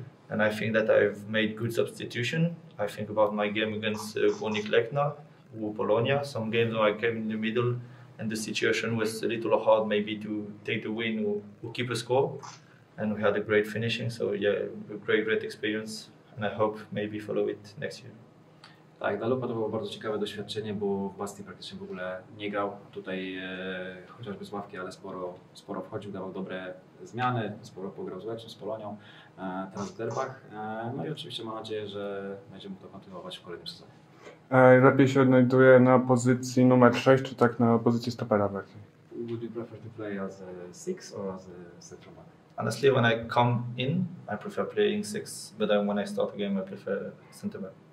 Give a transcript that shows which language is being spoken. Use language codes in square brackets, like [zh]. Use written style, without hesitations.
[en] And I think that I've made good substitution. I think about my game against Górnik Lechna or Polonia. Some games where I came in the middle and the situation was a little hard maybe to take the win or keep a score. And we had a great finishing, so yeah, a great experience. And I hope maybe follow it next year. [pl] Tak, dla Lupa to było bardzo ciekawe doświadczenie, bo w Bastii praktycznie w ogóle nie grał tutaj, chociażby z ławki, ale sporo wchodził, dawał dobre zmiany, sporo pograł z Lechią, z Polonią, teraz w Derbach. No i oczywiście mam nadzieję, że będzie mógł to kontynuować w kolejnym sezonie. Lepiej się odnajduje na pozycji numer 6, czy tak na pozycji stopera w Lechii? [en] Would you prefer to play as a 6 or as a central back? Honestly, when I come in, I prefer playing 6, but then when I start the game, I prefer center back.